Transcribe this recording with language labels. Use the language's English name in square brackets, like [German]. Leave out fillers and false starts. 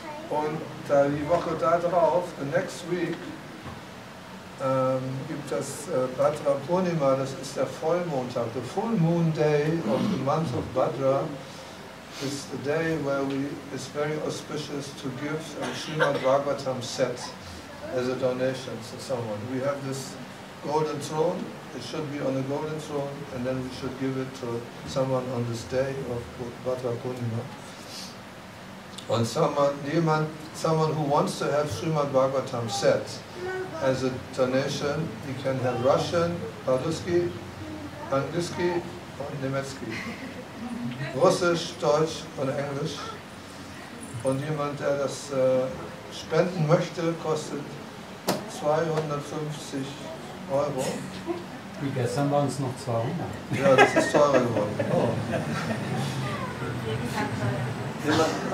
[German] Und die Woche da drauf, [English] the next week, [German] gibt das Bhadra Purnima, das ist der Vollmondtag. [English] The full moon day of the month of Bhadra is the day where we is very auspicious to give a Srimad Bhagavatam set as a donation to someone. We have this golden throne, it should be on the golden throne, and then we should give it to someone on this day of Bhadra Purnima. And someone who wants to have Srimad Bhagavatam set as a donation, he can have Russian, Paduski, Angliski, and Nemetski. [German] Russisch, Deutsch und Englisch. Und jemand, der das spenden möchte, kostet 250 Euro. Wie gestern waren es noch 200. Ja, das ist teurer geworden. Oh.